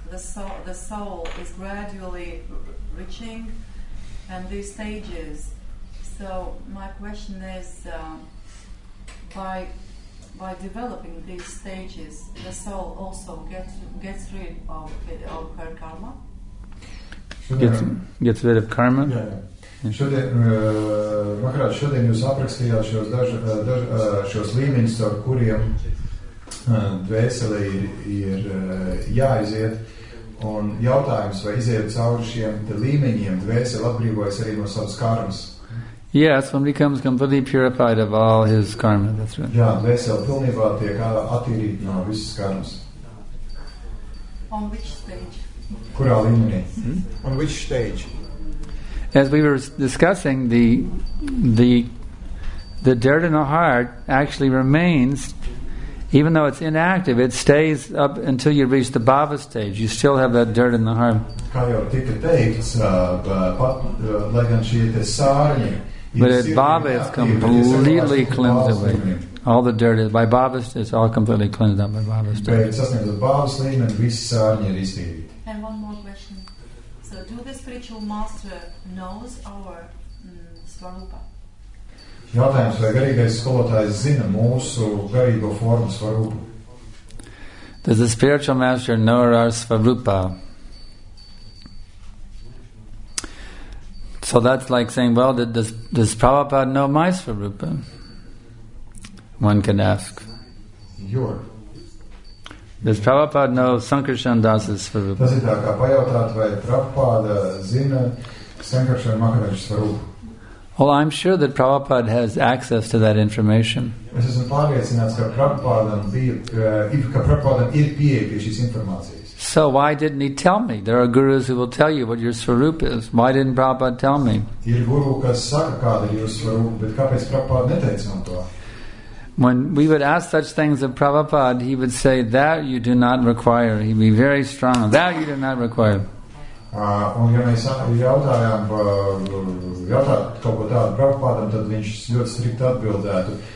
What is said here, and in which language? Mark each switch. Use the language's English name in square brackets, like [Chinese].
[English] The soul is gradually reaching and these stages. So my question is, by developing these stages, the soul also gets rid of her karma? Gets rid of karma. Yeah. [Latvian] Šodien jūs aprakstījāt šos līmeņus, ar kuriem dvēsele ir jāiziet, un jautājums, vai iziet cauri šiem līmeņiem, dvēsele atbrīvojas arī no savas karmas. [English] Yes, one becomes completely purified of all his karma. That's right. [Latvian] Jā, dvēsele pilnībā tiek attīrīta no visas karmas. [English] On which stage? [Latvian] Kurā līmenī? [English] Hmm? On which stage? As we were discussing, the dirt in the heart actually remains, even though it's inactive, it stays up until you reach the bhava stage. You still have that dirt in the heart. [Latvian] Kā jau tika teikts, lai gan šie te sārņi, [English] but at bhava it's completely cleansed away. All the dirt is, by bhava stage, it's all completely cleansed up by bhava stage. [Latvian] Bet sasniegt uz bhava līmeni, visi sārņi ir iztīrīti. [English] And one more question. So do the spiritual master knows our svarupa? [Latvian] Jautājums, vai garīgais skolotājs zina mūsu garīgo formu svarupu? [English] Does the spiritual master know our svarupa? So that's like saying, well, does Prabhupada know my svarupa? One can ask. Your. Does Prabhupada know Sankarshan Das's svarupa? [Latvian] Tas ir tā, kā pajautāt, vai Prabhupada zina Sankarshan Maharaja svarupu. [English] Well, I'm sure that Prabhupada has access to that information. [Latvian] Es esmu pārliecināts, ka Prabhupada ir pieeja pie šīs informācijas. [English] So why didn't he tell me? There are gurus who will tell you what your svarupa is. Why didn't Prabhupada tell me? [Latvian] Ir guru, kas saka, kāda ir jūsu svarupa, bet kāpēc Prabhupada neteica man to? [English] When we would ask such things of Prabhupada, he would say, that you do not require. He'd be very strong. That you do not require. [Latvian] Un ja mēs jautājām kaut ko tādu Prabhupādam, tad viņš ļoti strikt atbildētu.